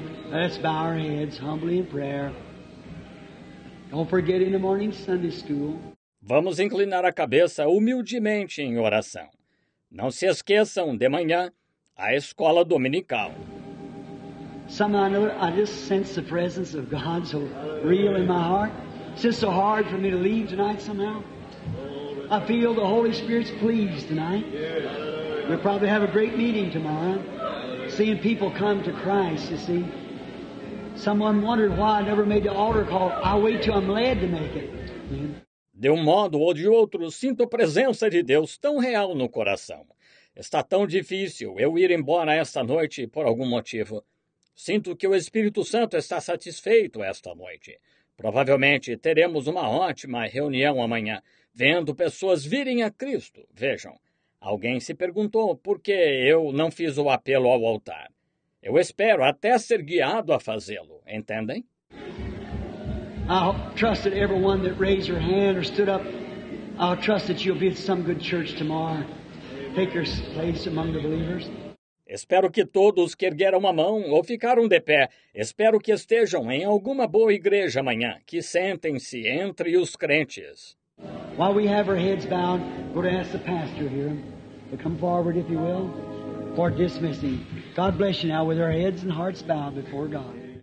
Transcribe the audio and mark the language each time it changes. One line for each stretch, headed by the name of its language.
English: Let's bow our heads humbly in prayer. Don't forget in the morning Sunday school.
Portuguese: Vamos inclinar a cabeça humildemente em oração. Não se esqueçam de manhã a escola dominical.
English: Somehow or another, I just sense the presence of God so real in my heart. It's just so hard for me to leave tonight somehow. I feel the Holy Spirit's pleased tonight. We'll probably have a great meeting tomorrow. Seeing people come to Christ, you see. Someone wondered why I never made the altar call. I wait till I'm led to make it.
Portuguese: De um modo ou de outro, sinto a presença de Deus tão real no coração. Está tão difícil eu ir embora esta noite por algum motivo. Sinto que o Espírito Santo está satisfeito esta noite. Provavelmente teremos uma ótima reunião amanhã, vendo pessoas virem a Cristo. Vejam, alguém se perguntou por que eu não fiz o apelo ao altar. Eu espero até ser guiado a fazê-lo, entendem?
English: I'll trust that everyone that raised your hand or stood up, I'll trust that you'll be at some good church tomorrow. Take your place among the believers.
Portuguese: Espero que todos que ergueram a mão ou ficaram de pé, espero que estejam em alguma boa igreja amanhã, que sentem-se entre os crentes.
English: While we have our heads bowed, go to ask the pastor here to come forward, if you will, for dismissing. God bless you now with our heads and hearts bowed before God.